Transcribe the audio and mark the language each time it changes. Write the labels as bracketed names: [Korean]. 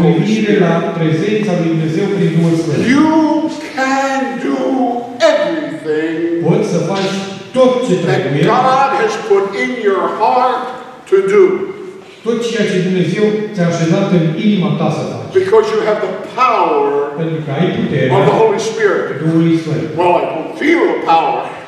[Romanian] Privire la prezența lui Dumnezeu prin Duhul Sfânt. [English] You can do everything. [Romanian] Poți să faci tot ce trebuie. [English] God has put in your heart to do. [Romanian] Tot ceea ce Dumnezeu ți-a așezat în inima ta să faci. [English] Because you have the power of the Holy Spirit. Well, I don't feel the power.